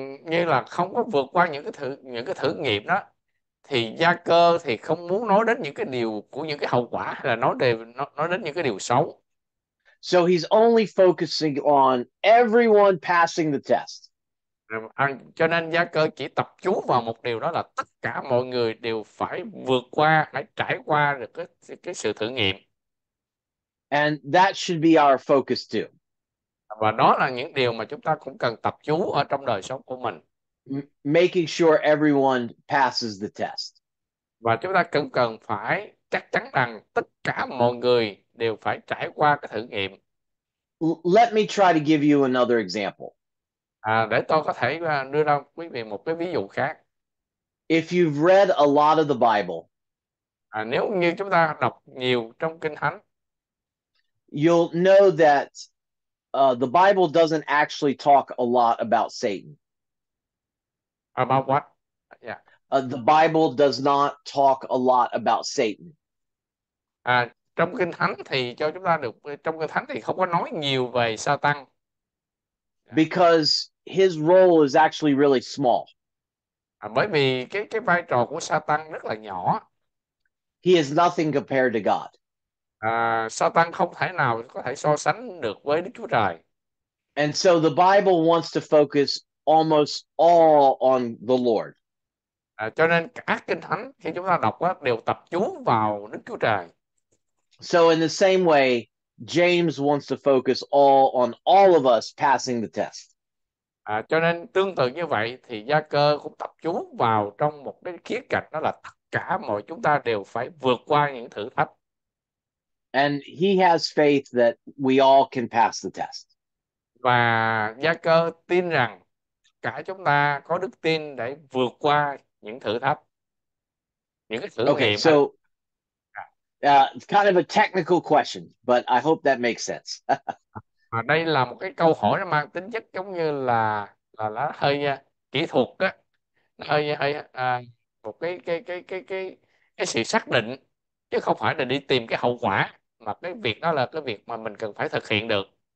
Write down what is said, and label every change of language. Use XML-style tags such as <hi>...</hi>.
<vi>Như là không có vượt qua những cái thử nghiệm đó, thì gia cơ thì không muốn nói đến những cái điều của những cái hậu quả, hay là nói đề nói đến những cái điều xấu.</vi> <en>So he's only focusing on everyone passing the test.</en> <vi>Cho nên gia cơ chỉ tập trung vào một điều, đó là tất cả mọi người đều phải vượt qua, phải trải qua được cái sự thử nghiệm.</vi> <en>And that should be our focus too.</en> <vi>Và đó là những điều mà chúng ta cũng cần tập trung ở trong đời sống của mình.</vi> <en>Making sure everyone passes the test.</en> <vi>Và chúng ta cũng cần phải chắc chắn rằng tất cả mọi người đều phải trải qua cái thử nghiệm.</vi> <en>Let me try to give you another example.</en> <vi>Để tôi có thể đưa ra quý vị một cái ví dụ khác.</vi> <en>If you've read a lot of the Bible,</en> <vi>Nếu như chúng ta đọc nhiều trong Kinh Thánh,</vi> <en>you'll know that the Bible doesn't actually talk a lot about Satan. about what? The Bible does not talk a lot about Satan.</en> <vi>Trong Kinh Thánh thì cho chúng ta được trong Kinh Thánh thì không có nói nhiều về Satan.</vi> <en>Because his role is actually really small.</en> <vi>Bởi vì cái vai trò của Satan rất là nhỏ.</vi> <en>He is nothing compared to God.</en> <vi>Satan không thể nào có thể so sánh được với Đức Chúa Trời.</vi> <en>And so the Bible wants to focus almost all on the Lord.</en> <vi>Cho nên các Kinh Thánh khi chúng ta đọc đó, đều tập trung vào Đức Chúa Trời.</vi> <en>So in the same way, James wants to focus all on all of us passing the test.</en> <vi>Cho nên tương tự như vậy thì Gia Cơ cũng tập trung vào trong một cái khía cạnh, đó là tất cả mọi chúng ta đều phải vượt qua những thử thách.</vi> <en>And he has faith that we all can pass the test.</en> <vi>Và Gia Cơ tin rằng cả chúng ta có đức tin để vượt qua những thử thách, những cái thử</vi> <en>Okay,</en> <vi>nghiệm anh.</vi> <en>so kind of a technical question, but I hope that makes sense.</en> <vi>Mà đây là một cái câu hỏi nó mang tính chất giống như là hơi kỹ thuật á, hơi hơi một cái sự xác định, chứ không phải là đi tìm cái hậu quả, mà cái việc đó là cái việc mà mình cần phải thực hiện được.</vi>